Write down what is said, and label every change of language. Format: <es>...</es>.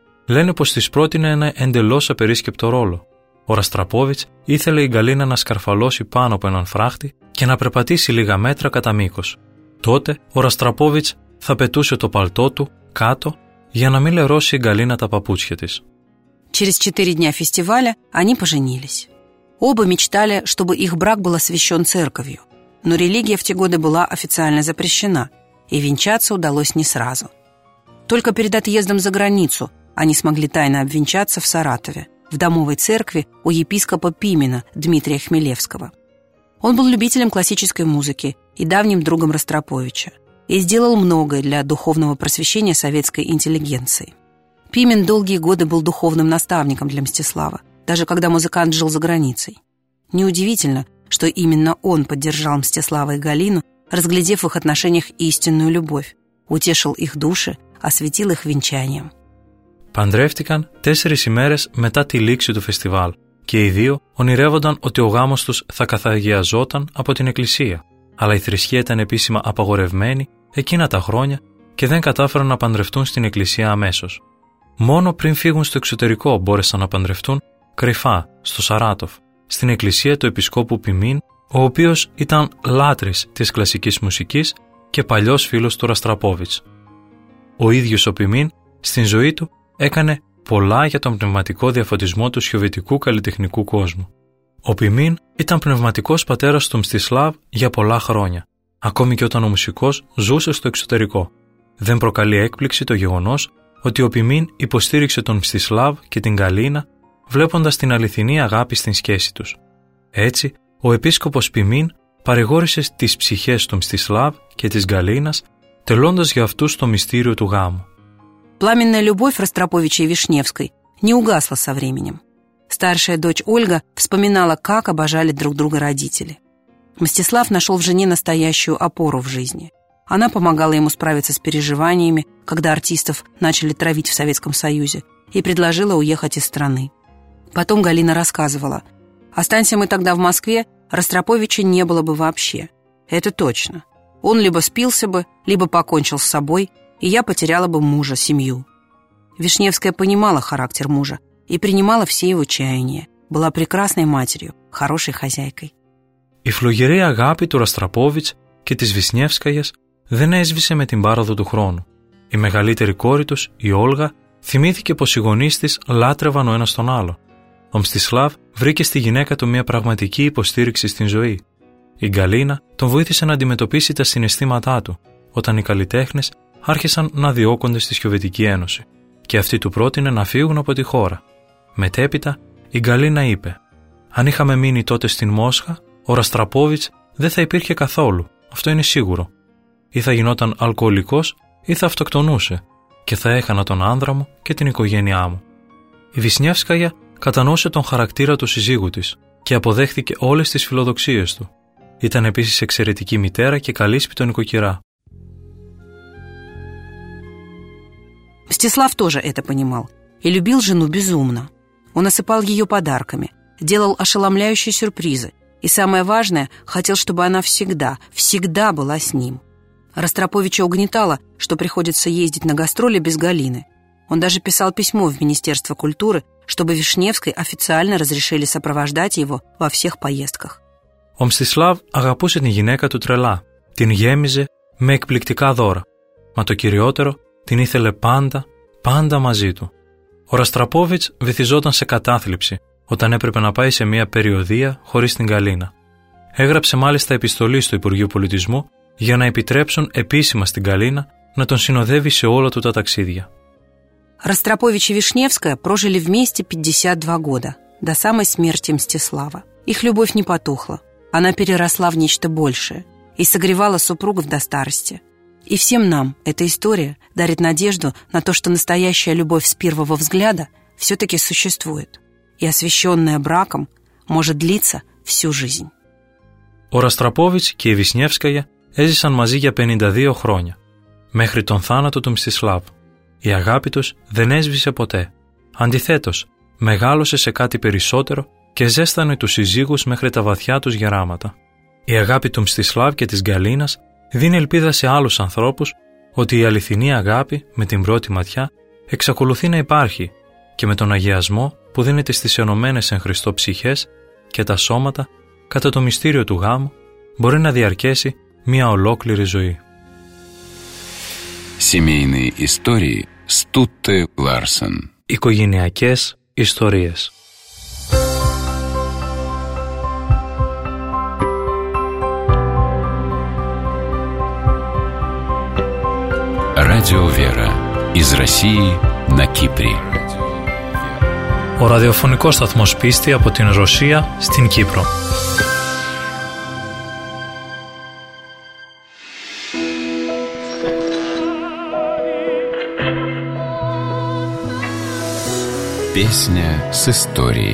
<el>Λένε πως της πρότεινε ένα εντελώς απερίσκεπτο ρόλο. Ο Ραστραπόβιτς ήθελε η Γκαλίνα να σκαρφαλώσει πάνω από έναν φράχτη και να περπατήσει λίγα μέτρα κατά μήκος. Τότε ο Ραστραπόβιτς θα πετούσε το παλτό του κάτω για να μην λερώσει η Γκαλίνα τα παπούτσια της.</el> <ru>Через 4 дня фестиваля они поженились. Оба мечтали, чтобы их брак был освящен церковью. Но религия в те годы была официально запрещена, и венчаться удалось не сразу. Только перед отъездом за границу они смогли тайно обвенчаться в Саратове, в домовой церкви у епископа Пимена Дмитрия Хмелевского. Он был любителем классической музыки и давним другом Ростроповича и сделал многое для духовного просвещения советской интеллигенции. Пимен долгие годы был духовным наставником для Мстислава, даже когда музыкант жил за границей. Неудивительно, что именно он поддержал Мстислава и Галину, разглядев в их отношениях истинную любовь, утешил их души, осветил их венчанием.</ru> <el>Παντρεύτηκαν 4 ημέρες μετά τη λήξη του φεστιβάλ και οι δύο ονειρεύονταν ότι ο γάμος τους θα καθαγιαζόταν από την εκκλησία. Αλλά η θρησκεία ήταν επίσημα απαγορευμένη εκείνα τα χρόνια και δεν κατάφεραν να παντρευτούν στην εκκλησία αμέσως. Μόνο πριν φύγουν στο εξωτερικό μπόρεσαν να παντρευτούν κρυφά, στο Σαράτοφ, στην εκκλησία του επισκόπου Πιμίν, ο οποίος ήταν λάτρης της κλασικής μουσικής και παλιός φίλος του Ραστραπόβιτς. Ο ίδιος ο Πιμίν, στην ζωή του, έκανε πολλά για τον πνευματικό διαφωτισμό του σιωβητικού καλλιτεχνικού κόσμου. Ο Πιμίν ήταν πνευματικός πατέρας του Μστισλάβ για πολλά χρόνια, ακόμη και όταν ο μουσικός ζούσε στο εξωτερικό. Δεν προκαλεί έκπληξη το γεγονός ότι ο Πιμίν υποστήριξε τον Μστισλάβ και την Γκαλίνα, βλέποντας την αληθινή αγάπη στην σχέση τους. Έτσι, ο επίσκοπος Πιμίν παρηγόρησε τις ψυχές του Μστισλάβ και της Γκαλίνας, τελώντας για αυτούς το μυστήριο του γάμου.</el> <ru>Пламенная любовь Ростроповича и Вишневской не угасла со временем. Старшая дочь Ольга вспоминала, как обожали друг друга родители. Мстислав нашел в жене настоящую опору в жизни. Она помогала ему справиться с переживаниями, когда артистов начали травить в Советском Союзе, и предложила уехать из страны. Потом Галина рассказывала: «Останься мы тогда в Москве, Ростроповича не было бы вообще. Это точно. Он либо спился бы, либо покончил с собой, и я потеряла бы мужа, семью». Вишневская понимала характер мужа и принимала все его чаяния, была прекрасной матерью, хорошей хозяйкой.</ru> <el>И флогере агапи ту Ростропович ке тис Вишневскаяс δεν έσβησε με την πάροδο του χρόνου. Η μεγαλύτερη κόρη τους, η Όλγα, θυμήθηκε πως οι γονείς της λάτρευαν ο ένας τον άλλο. Ο Μστισλάβ βρήκε στη γυναίκα του μια πραγματική υποστήριξη στην ζωή. Η Γκαλίνα τον βοήθησε να αντιμετωπίσει τα συναισθήματά του, όταν οι καλλιτέχνες άρχισαν να διώκονται στη Σοβιετική Ένωση και αυτή του πρότεινε να φύγουν από τη χώρα. Μετέπειτα, η Γκαλίνα είπε: «Αν είχαμε μείνει τότε στην Μόσχα, ο Ραστραπόβιτς δεν θα υπήρχε καθόλου, αυτό είναι σίγουρο. Ή θα γινόταν αλκοολικός ή θα αυτοκτονούσε. και θα έχανα τον άνδρα μου και την οικογένειά μου. Η Βισνιεύσκαγια κατανόησε τον χαρακτήρα του συζύγου της και αποδέχθηκε όλες τις φιλοδοξίες του. Ήταν επίσης εξαιρετική μητέρα και καλή σπιτονοικοκυρά.</el> <ru>Мстислав тоже это понимал и любил жену безумно. Он осыпал ее подарками, делал ошеломляющие сюрпризы и, самое важное, хотел, чтобы она всегда, всегда была с ним. Ростроповича угнетало, что приходится ездить на гастроли без Галины. Он даже писал письмо в Министерство культуры, чтобы Вишневской официально разрешили сопровождать его во всех поездках.</ru> <el>Ο Мстислав αγαπούσε την γυναίκα του τρελά, την γέμιζε με εκπληκτικά δώρα. Μα το κυριότερο, την ήθελε πάντα, πάντα μαζί του. Ο Ραστραπόβιτς βυθιζόταν σε κατάθλιψη όταν έπρεπε να πάει σε μια περιοδία χωρίς την Γκαλίνα. Έγραψε μάλιστα επιστολή στο Υπουργείο Πολιτισμού για να επιτρέψουν επίσημα στην Γκαλίνα να τον συνοδεύει σε όλα του τα ταξίδια.</el> <ru>Ραστραπόβιτς και Вишневская прожили вместе 52 года, до самой смерти Мстислава. Их любовь не потухла, она переросла в нечто большее и согревала супругов до старости. И всем нам эта история дарит надежду на то, что настоящая любовь с первого взгляда все-таки существует. И освященная браком может длиться всю жизнь.</ru> <el>Ο Ραστραπόβιτς και η Вишневская έζησαν μαζί για 52 χρόνια, μέχρι τον θάνατο του Μστισλάβ. Η αγάπη τους δεν έσβησε ποτέ. Αντιθέτως, μεγάλωσε σε κάτι περισσότερο και ζέστανε τους συζύγους μέχρι τα βαθιά τους γεράματα. Η αγάπη του Μστισλάβ και της Γκαλίνας δίνει ελπίδα σε άλλους ανθρώπους ότι η αληθινή αγάπη με την πρώτη ματιά εξακολουθεί να υπάρχει και με τον αγιασμό που δίνεται στις ενωμένες εν Χριστώ ψυχές και τα σώματα κατά το μυστήριο του γάμου μπορεί να διαρκέσει μια ολόκληρη ζωή.</el> <ru>Семейные истории Стутте Ларсен.</ru> <el>Οικογενειακές ιστορίες.</el> <ru>Радио Вера из России на Кипре.</ru> <el>Ο ραδιοφωνικός σταθμός πίστη από την Ρωσία στην Κύπρο.</el> <ru>Песня с историей.</ru>